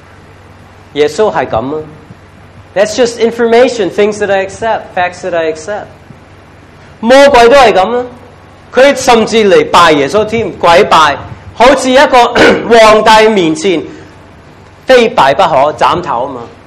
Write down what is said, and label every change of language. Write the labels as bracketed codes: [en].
[yue] 但是，只不过是一些资料头脑的认识。耶稣是这样吗？ [en] That's just information, things that I accept, facts that I accept. [yue] 魔鬼都是这样，他甚至来拜耶稣，鬼拜，好像一个皇帝面前非拜不可，斩头嘛。